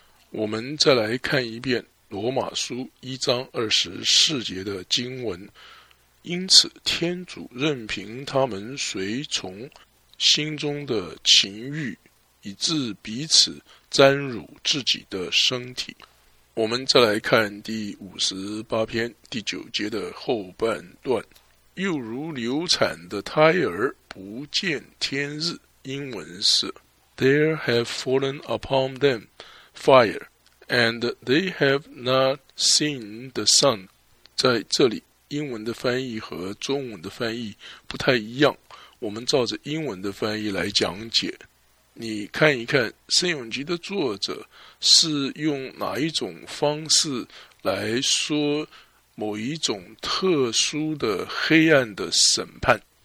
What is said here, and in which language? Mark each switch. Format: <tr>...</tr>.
<zh>我们再来看一遍罗马书一章二十四节的经文，因此天主任凭他们随从心中的情欲，以致彼此沾辱自己的身体。我们再来看第五十八篇第九节的后半段，又如流产的胎儿不见天日。</zh> <en>英文是 There have fallen upon them fire, and they have not seen the sun.</en> <zh>在这里英文的翻译和中文的翻译不太一样，我们照着英文的翻译来讲解。你看一看圣咏集的作者是用哪一种方式来说某一种特殊的黑暗的审判。</zh>